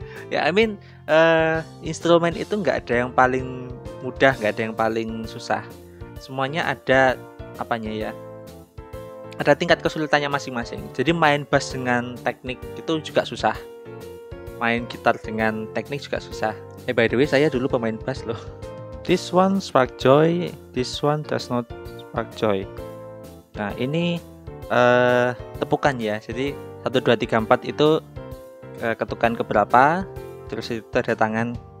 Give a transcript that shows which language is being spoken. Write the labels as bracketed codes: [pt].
[id] Ya, [en] I mean, [id] instrumen itu nggak ada yang paling mudah, nggak ada yang paling susah. Semuanya ada, apanya ya, ada tingkat kesulitannya masing-masing. Jadi main bass dengan teknik itu juga susah. Main gitar dengan teknik juga susah. Eh, [en] by the way, [id] saya dulu pemain bass loh. [en] This one spark joy, this one does not spark joy. [id] Nah, ini tepukan ya. Jadi, 1, 2, 3, 4 itu ketukan keberapa, terus itu ada tangan.